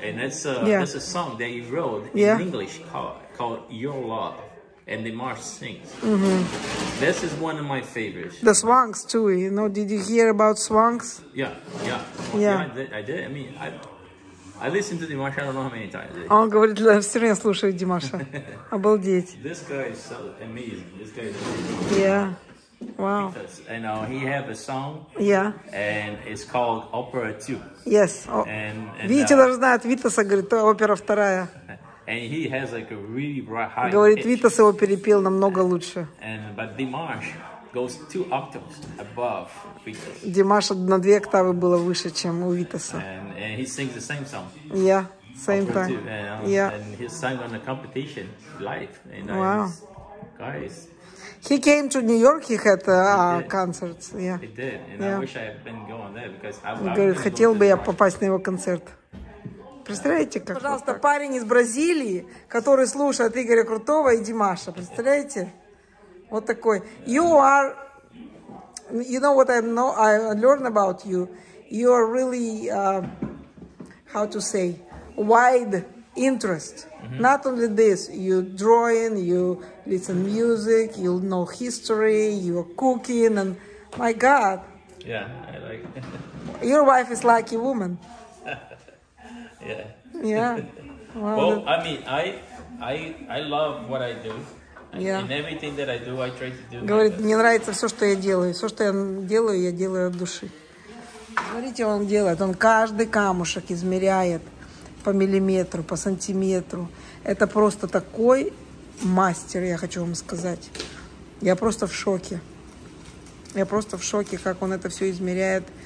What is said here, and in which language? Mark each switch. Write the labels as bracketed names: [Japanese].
[English] And that's that's a song that he wrote in English called Your Love. And Dimash sings. Mm-hmm. This is one of my favorites. The Swanks too. You know, did you hear about Swanks? Yeah. I did. I listen to Dimash, I don't know how many times. [Russian] Он говорит, я все время слушаю Димаша. Обалдеть. [English] This guy is so amazing. This guy is amazing. Yeah. Wow. Because, you know, he have a song. Yeah. And it's called Opera 2. Yes. [Russian] Видите, даже знает Витаса, говорит, опера вторая. [English] And he has like a really high pitch. [Russian] Говорит, Витас его перепел намного лучше. [English] But Dimash goes 2 octaves above Vitas. [Russian] Димаш на 2 октавы было выше, чем у Витаса. [English] And he sings the same song. Yeah, same time. And he sang on the competition live. And wow. Guys. He came to New York, he had concerts. Yeah. He did. And I wish I had been going there because I would have been going to Dimash. [Russian] Хотел бы я попасть на его концерт. Представляете, как? Пожалуйста, парень из Бразилии, который слушает Игоря Крутого и Димаша. Представляете? Вот такой. [English] You know what I learned about you? You are really how to say, wide interest. Mm-hmm. Not only this, you drawing, you listen music, you know history, you're cooking, and my God. Yeah, I like it. Your wife is lucky woman. Yeah. Yeah. Well, I mean, I love what I do. Yeah. In everything that I do, I try to do. [Russian] Говорит, мне нравится все, что я делаю. Все, что я делаю от души. Смотрите, он делает. Он каждый камушек измеряет по миллиметру, по сантиметру. Это просто такой мастер, я хочу вам сказать. Я просто в шоке. Я просто в шоке, как он это все измеряет.